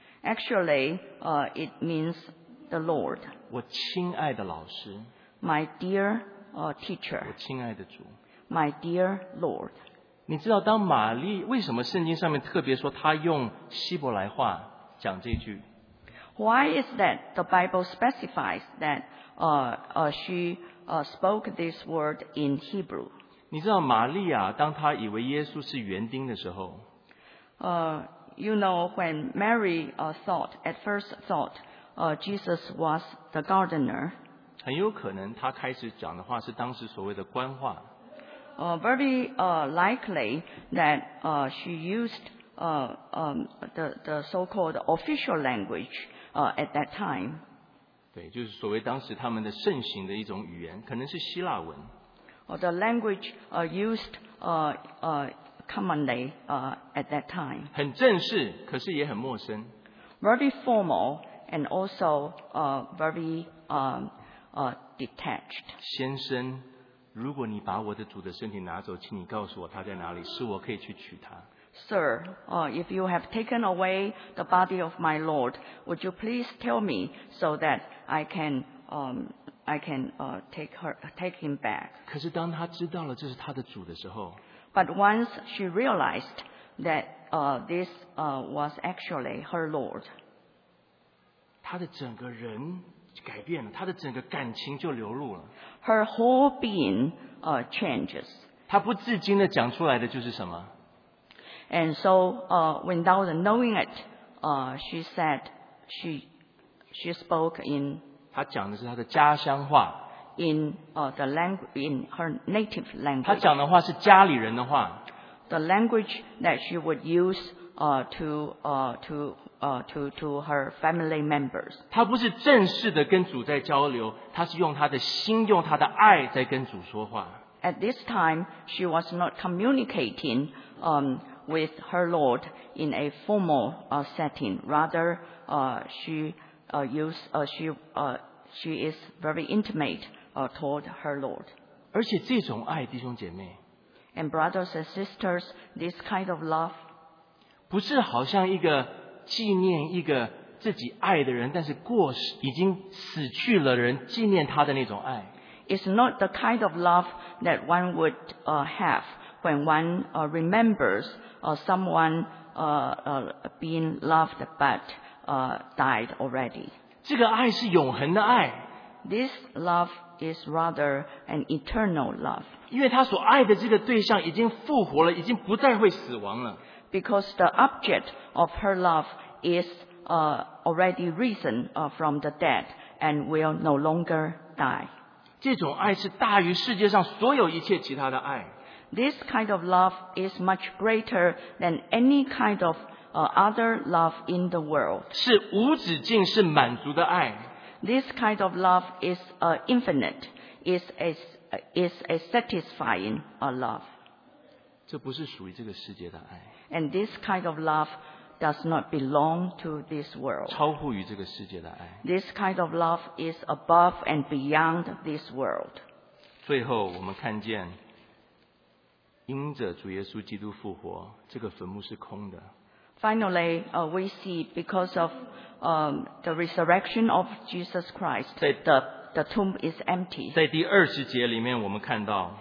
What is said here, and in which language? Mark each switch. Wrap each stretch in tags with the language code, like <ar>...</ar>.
<en>Actually, it means the Lord.</en> <zh>我亲爱的老师。</zh> <en>My dear teacher.</en> <zh>我亲爱的主。</zh> <en>My dear Lord.</en> <zh>你知道当玛丽为什么圣经上面特别说她用希伯来话讲这句</zh> <en>？Why is that the Bible specifies that she spoke this word in Hebrew？</en> <zh>你知道玛丽亚当她以为耶稣是园丁的时候</zh> <en>You know, when Mary thought, at first thought, Jesus was the gardener.</en> <zh>很有可能她开始讲的话是当时所谓的官话。</zh> <en>Very likely that she used the so-called official language at that time.</en> <zh>对，就是所谓当时他们的盛行的一种语言，可能是希腊文。</zh> <en>The language used commonly at that time.</en> <zh>很正式，可是也很陌生。</zh> <en>Very formal and also very detached.</en> <zh>先生，如果你把我的主的身体拿走，请你告诉我他在哪里，使我可以去取他。</zh> <en>Sir, if you have taken away the body of my Lord, would you please tell me so that I can take him back?</en> <zh>可是当他知道了这是他的主的时候。</zh> <en>But once she realized that this was actually her Lord,</en> <zh>他的整个人改变了，他的整个感情就流露了。</zh> <en>Her whole being changes.</en> <zh>他不自禁的讲出来的就是什么</zh> <en>？And so, without knowing it, she said she spoke in.</en> <zh>他讲的是他的家乡话。</zh> <en>In the language, in her native language.</en> <zh>他讲的话是家里人的话。</zh> <en>the language that she would use to her family members.</en> <zh>她不是正式的跟主在交流，她是用她的心，用她的爱在跟主说话。</zh> <en>At this time, she was not communicating with her Lord in a formal setting. Rather, she is very intimate toward her Lord.</en> <zh>而且这种爱，弟兄姐妹。</zh> <en>And brothers and sisters, this kind of love.</en> <zh>不是好像一个纪念一个自己爱的人，但是过世已经死去了人纪念他的那种爱。</zh> <en>It's not the kind of love that one would have when one remembers someone being loved but died already.</en> <zh>这个爱是永恒的爱。</zh> <en>This love is rather an eternal love.</en> <zh>因为他所爱的这个对象已经复活了，已经不再会死亡了。</zh> <en>Because the object of her love is already risen from the dead and will no longer die.</en> <zh>这种爱是大于世界上所有一切其他的爱。</zh> <en>This kind of love is much greater than any kind of other love in the world.</en> <zh>是无止境，是满足的爱。</zh> <en>This kind of love is infinite, is a satisfying love.</en> <zh>这不是属于这个世界的爱。</zh> <en>And this kind of love does not belong to this world.</en> <zh>超乎于这个世界的爱。</zh> <en>This kind of love is above and beyond this world.</en> <zh>最后我们看见因着主耶稣基督复活，这个坟墓是空的。</zh> <en>Finally, we see because of the resurrection of Jesus Christ, the tomb is empty.</en> <zh>在第二十节里面我们看到</zh>